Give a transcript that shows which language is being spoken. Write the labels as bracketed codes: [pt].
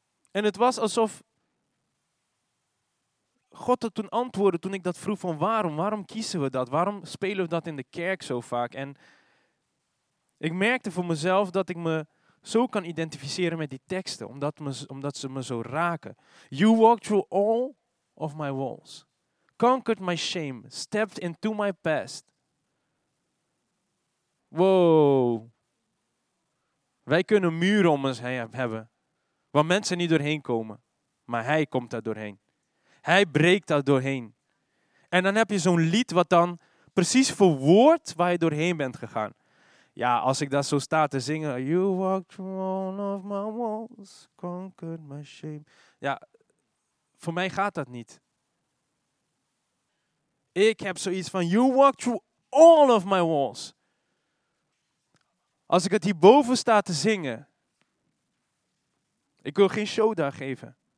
[nl] En het was alsof God het toen antwoordde toen ik dat vroeg van waarom? Waarom kiezen we dat? Waarom spelen we dat in de kerk zo vaak? En ik merkte voor mezelf dat ik me zo kan identificeren met die teksten. Omdat ze me zo raken. [en] You walked through all of my walls. Conquered my shame. Stepped into my past. Wow. [nl] Wij kunnen muren om ons heen hebben. Waar mensen niet doorheen komen. Maar hij komt daar doorheen. Hij breekt daar doorheen. En dan heb je zo'n lied wat dan precies verwoordt waar je doorheen bent gegaan. ja, als ik daar zo sta te zingen. [en] You walked through all of my walls, conquered my shame. [nl] Ja, voor mij gaat dat niet. Ik heb zoiets van, [en] you walked through all of my walls. [nl] Als ik het hierboven sta te zingen. Ik wil geen show daar geven.